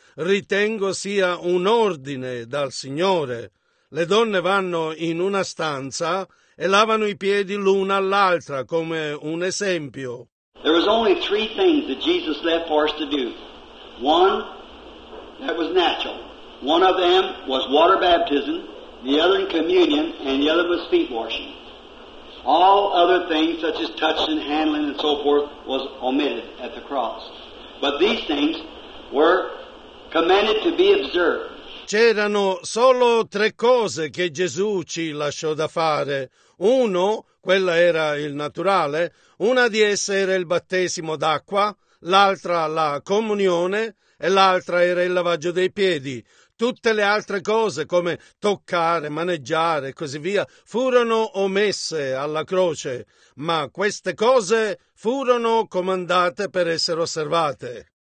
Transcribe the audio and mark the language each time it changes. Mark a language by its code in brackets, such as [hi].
[it] Ritengo sia un ordine dal Signore. Le donne vanno in una stanza e lavano i piedi l'una all'altra, come un esempio. [en] There was only three things that Jesus left for us to do. One, that was natural. One of them was water baptism, the other in communion, and the other was feet washing. All other things, such as touching, and handling, and so forth, was omitted at the cross. But these things were commanded to be observed. [it] C'erano solo tre cose che Gesù ci lasciò da fare. Uno, quella era il naturale, una di esse era il battesimo d'acqua, l'altra la comunione e l'altra era il lavaggio dei piedi. Tutte le altre cose, come toccare, maneggiare e così via, furono omesse alla croce, ma queste cose furono comandate per essere osservate.